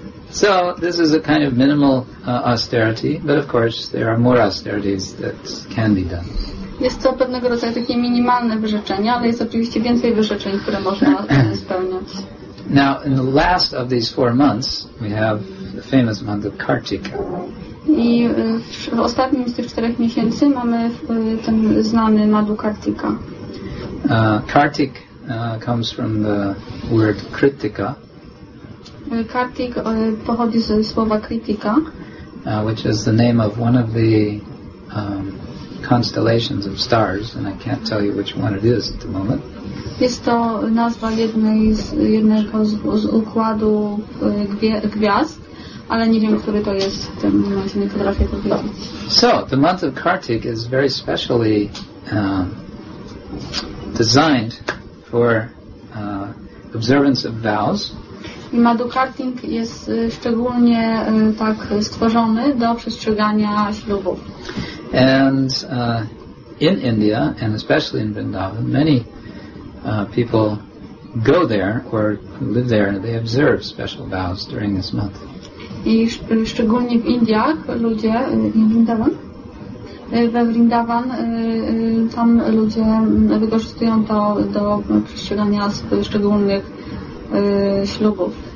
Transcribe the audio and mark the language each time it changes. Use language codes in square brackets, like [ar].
[en] So this is a kind of minimal austerity, but of course there are more austerities that can be done. [pl] Jest to pewnego rodzaju takie minimalne wyrzeczenie, ale jest oczywiście więcej wyrzeczeń, które można spełniać. [en] Now, in the last of these 4 months, we have the famous month of Kartika. [pl] I w ostatnim z tych 4 miesięcy mamy ten znany Madhu Kartika. [en] Kartik comes from the word kritika. [pl] Kartik pochodzi ze słowa kritika. [en] Which is the name of one of the constellations of stars, and I can't tell you which one it is at the moment. [pl] Jest to nazwa jednego z układu gwiazd, ale nie wiem, który to jest w tym momencie, nie potrafię powiedzieć. [en] So, the month of Kartik is very specially designed for observance of vows. [pl] I Madhu Kartik jest szczególnie tak stworzony do przestrzegania ślubów. [en] And in India, and especially in Vrindavan, many people go there or live there, and they observe special vows during this month. [pl] I szczególnie w Indiach ludzie, in Vrindavan, we Vrindavan, tam ludzie wykorzystują to do przestrzegania szczególnych ślubów.